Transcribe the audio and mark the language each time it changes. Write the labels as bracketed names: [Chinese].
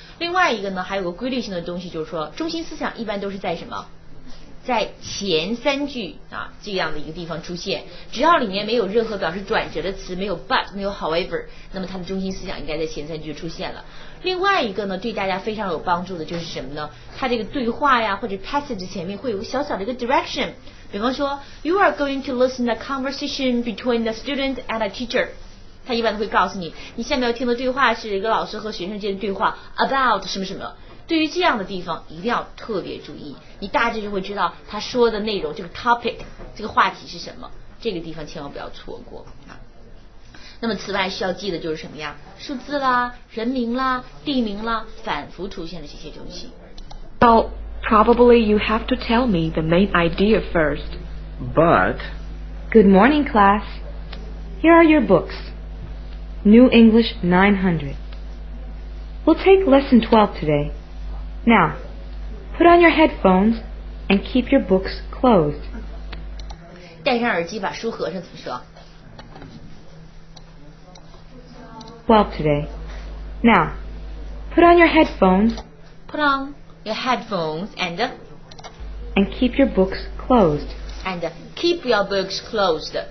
[Chinese] 另外一个呢，还有个规律性的东西，就是说中心思想一般都是在什么，在前三句啊这样的一个地方出现。只要里面没有任何表示转折的词，没有 but， 没有 however， 那么它的中心思想应该在前三句出现了。另外一个呢，对大家非常有帮助的就是什么呢？它这个对话呀或者 passage 前面会有个小小的一个 direction。比方说 [English] ，You are going to listen a conversation between the student and a teacher。 [Chinese] 他一般都会告诉你，你下面要听的对话是一个老师和学生间的对话 ，about 什么什么。对于这样的地方，一定要特别注意，你大致就会知道他说的内容，这个 topic， 这个话题是什么。这个地方千万不要错过啊。那么，此外需要记的就是什么呀？数字啦，人名啦，地名啦，反复出现的这些东西。到。 [English] Probably you have to tell me the main idea first. But... Good morning, class. Here are your books. New English 900. We'll take lesson 12 today. Now, put on your headphones and keep your books closed. [Chinese] 戴上耳机把书合上怎么说？ [English] 12 today. Now, put on your headphones... Put on... Your headphones and... And keep your books closed. And keep your books closed.